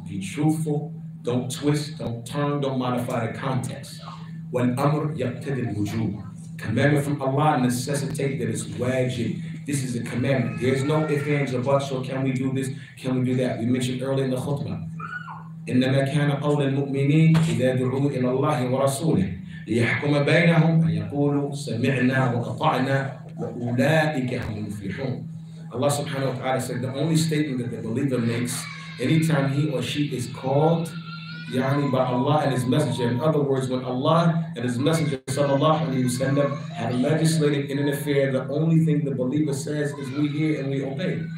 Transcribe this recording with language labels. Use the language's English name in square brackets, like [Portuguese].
[English] Be truthful. Don't twist. Don't turn. Don't modify the context. When amr yaqtadi al-wujub, commandment from Allah necessitate that it's wajib. This is a commandment. There's no ifs, ands, or buts. So can we do this? Can we do that? We mentioned earlier in the khutbah. [Arabic] إنما كان قول المؤمنين إذا دعوا إلى الله ورسوله ليحكم بينهم أن يقولوا سمعنا وأطعنا وأولئك هم المفلحون. [English] Allah subhanahu wa ta'ala said the only statement that the believer makes anytime he or she is called by Allah and His Messenger. In other words, when Allah and His Messenger sallallahu alayhi wa sallam have legislated in an affair, the only thing the believer says is we hear and we obey.